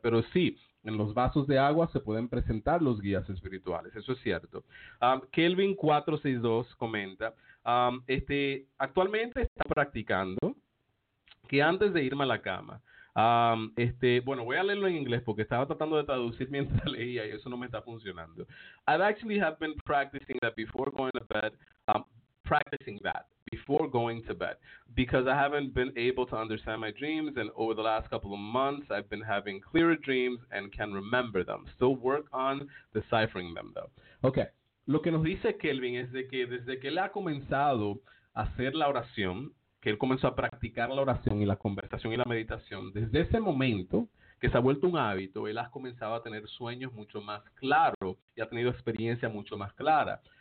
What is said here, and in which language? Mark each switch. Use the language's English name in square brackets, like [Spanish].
[Spanish] Pero sí, en los vasos de agua se pueden presentar los guías espirituales, eso es cierto. Kelvin 462 comenta, actualmente está practicando que antes de irme a la cama, bueno, voy a leerlo en inglés porque estaba tratando de traducir mientras leía y eso no me está funcionando. [English] I've actually have been practicing that before going to bed, because I haven't been able to understand my dreams, and over the last couple of months, I've been having clearer dreams and can remember them. Still work on deciphering them, though. Okay. [Spanish] Lo que nos dice Kelvin es de que desde que él ha comenzado a hacer la oración, que él comenzó a practicar la oración y la conversación y la meditación, desde ese momento que se ha vuelto un hábito, él ha comenzado a tener sueños mucho más claros y ha tenido experiencia mucho más clara.